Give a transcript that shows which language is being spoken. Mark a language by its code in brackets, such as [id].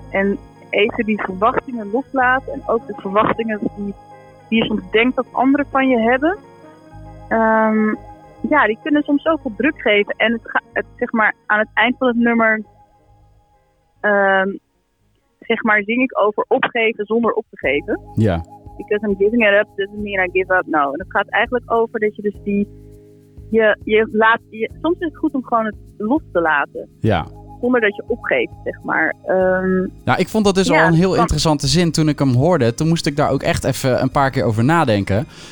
[nl] En even die verwachtingen loslaten. En ook de verwachtingen die je soms denkt dat anderen van je hebben. Die kunnen soms ook wel druk geven. En het zeg maar aan het eind van het nummer. Zeg maar, zing ik over opgeven zonder op te geven. Ja. [en] Because I'm giving it up, doesn't mean I give up. [nl] Nou, en het gaat eigenlijk over dat je dus die. Je laat, soms is het goed om gewoon het los te laten. Ja. Zonder dat je opgeeft, zeg maar. Ik vond dat dus al een heel interessante zin toen ik hem hoorde. Toen moest ik daar ook echt even een paar keer over nadenken.